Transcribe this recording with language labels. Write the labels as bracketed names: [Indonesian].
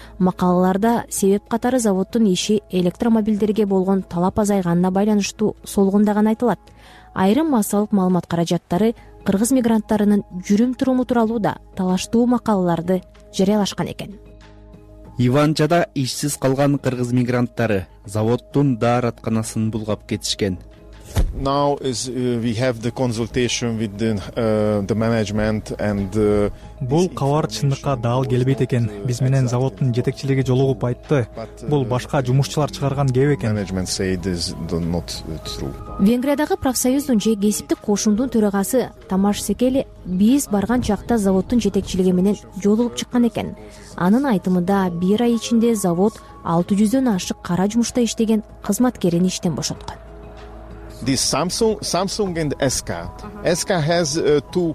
[Kyrgyz] Макалаларда себеп катары заводдун иши электромобилдерге болгон талап азайганына байланыштуу солгундаган айтылат. Айрым массалык маалымат каражаттары кыргыз мигранттарынын жүрүм туруму тууралуу да талаштуу макалаларды жарыялашкан экен. Иванчада ишсиз калган кыргыз мигранттары заводдун дааратканасын булгап кетишкен. [English] Now is we have the consultation with the management and [Kyrgyz] бул кабар чындыкка даал келбейт экен. Биз менен заводдун жетекчилиги жолугуп айтты. Бул башка жумушчулар чыгарган кеп экен. [English] Management said is not true. [Kyrgyz] Венгриядагы профсоюздун же кесиптик кошундун төрагасы Тамаш Секели биз барган чакта заводдун жетекчилиги менен жолугуп чыккан экен. Анын айтымында бир ай ичинде завод 600 ашык кара жумушта иштеген кызматкерин иштен бошоткан. [English] This Samsung and SK. SK has two